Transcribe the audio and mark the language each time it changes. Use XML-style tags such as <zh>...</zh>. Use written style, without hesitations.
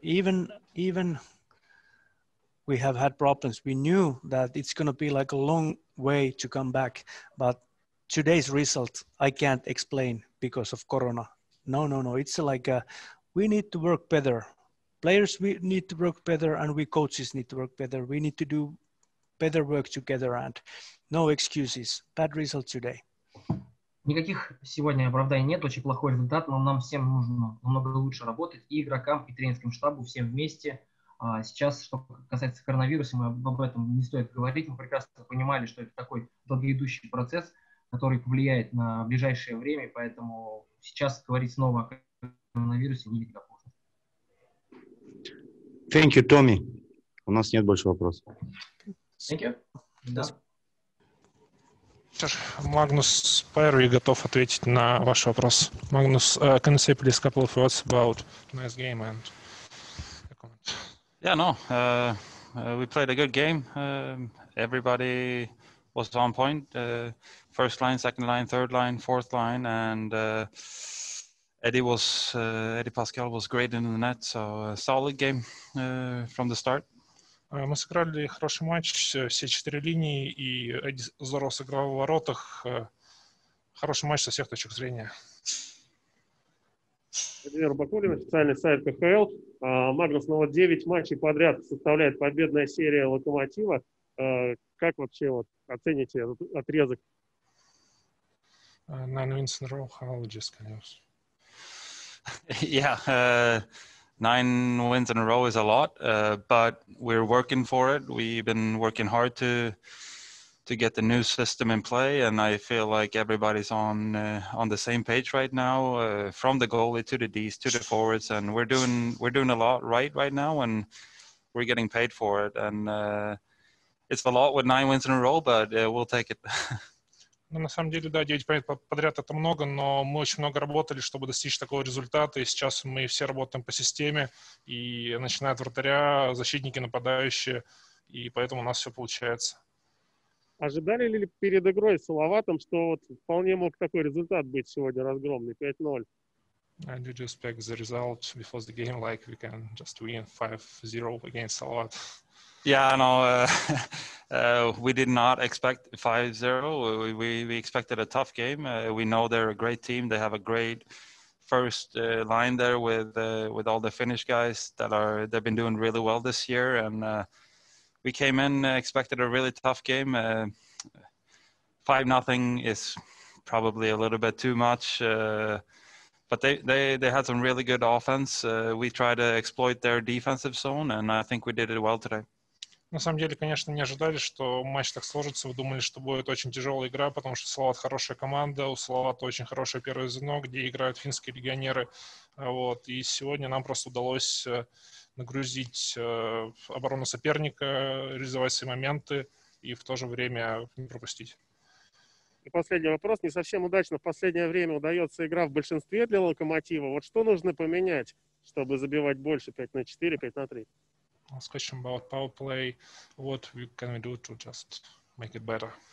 <en>Even we have had problems, we knew that it's going to be like a long way to come back, but today's result I can't explain because of Corona. No, it's like we need to work better. Players, we need to work better, and we coaches need to work better. We need to do better work together, and no excuses. Bad result today.</en> <ru>Никаких сегодня оправданий нет. Очень плохой результат, но нам всем нужно намного лучше работать, и игрокам, и тренерскому штабу, всем вместе. Сейчас, что касается коронавируса, мы об этом не стоит говорить. Мы прекрасно понимали, что это такой долгоидущий процесс, который повлияет на ближайшее время, поэтому сейчас говорить снова о коронавирусе не легко.</ru> <en>Thank you, Tommy.</en> <ru>У нас нет больше вопросов.</ru> <en>Thank you.</en> <ru>Да. Магнус Пайри готов ответить на ваш вопрос.</ru> <en>Магнус, can you say please a couple of words about tonight's game and a comment? Yeah, no. We played a good game. Everybody was on point. First line, second line, third line, fourth line, and Eddie Pascal was great in the net, so a solid game from the start.</en> <ru>Мы сыграли хороший матч, все четыре линии, и Эдди здорово сыграл в воротах. Хороший матч со всех точек зрения. Владимир Бакулин, официальный сайт КХЛ. Магнус, ну вот 9 матчей подряд составляет победная серия Локомотива. Как вообще вот оцените этот отрезок?</ru> <en>Nine wins in a row, how just can you? Yeah, nine wins in a row is a lot, but we're working for it. We've been working hard to get the new system in play, and I feel like everybody's on the same page right now, from the goalie to the D's to the forwards, and we're doing a lot right now, and we're getting paid for it. And it's a lot with 9 wins in a row, but we'll take it.</en> <ru>Ну, на самом деле, да, 9 побед подряд — это много, но мы очень много работали, чтобы достичь такого результата, и сейчас мы все работаем по системе, и начиная от вратаря, защитники, нападающие, и поэтому у нас все получается. Ожидали ли перед игрой с Салаватом, что вот вполне мог такой результат быть сегодня, разгромный, 5-0?</ru> <en>I do expect the result before the game, like we can just win 5-0 against Салават. Yeah, no, we did not expect 5-0. We expected a tough game. We know they're a great team. They have a great first line there with all the Finnish guys they've been doing really well this year. And we came in, expected a really tough game. 5-0 is probably a little bit too much. But they had some really good offense. We tried to exploit their defensive zone, and I think we did it well today.</en> <ru>На самом деле, конечно, не ожидали, что матч так сложится. Вы думали, что будет очень тяжелая игра, потому что Салават хорошая команда, у Салавата очень хорошее первое звено, где играют финские легионеры. Вот. И сегодня нам просто удалось нагрузить оборону соперника, реализовать свои моменты и в то же время не пропустить. И последний вопрос. Не совсем удачно в последнее время удается игра в большинстве для Локомотива. Вот что нужно поменять, чтобы забивать больше 5-4, 5-3?</ru> <en>Last question about power play. What can we do to just make it better?</en>